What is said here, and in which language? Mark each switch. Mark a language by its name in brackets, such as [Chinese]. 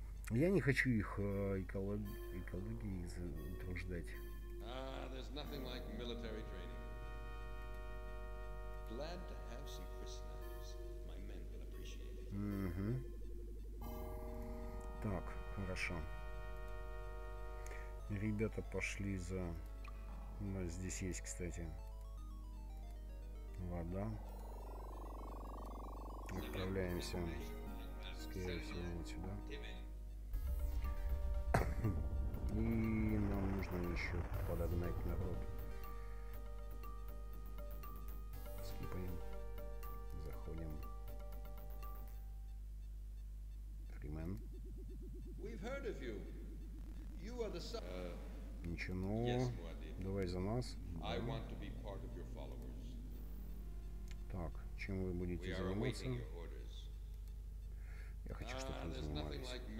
[Russian] Я не хочу их экологии затруждать. [English] There's nothing like military training. Glad to have some crisp knives. My men will appreciate it. [Russian] Так, хорошо. Ребята пошли за... Да, здесь есть, кстати, вода. Отправляемся, скорее всего, вот сюда. И нам нужно еще подогнать народ. Скипаем. Заходим. Фримен. [English] We've heard of you. You are the [Russian] Ничего нового. [English] Yes, [Russian] давай за нас. [English] I want to be part of your followers. [Russian] Так, чем вы будете заниматься? Я хочу, чтобы вы занимались.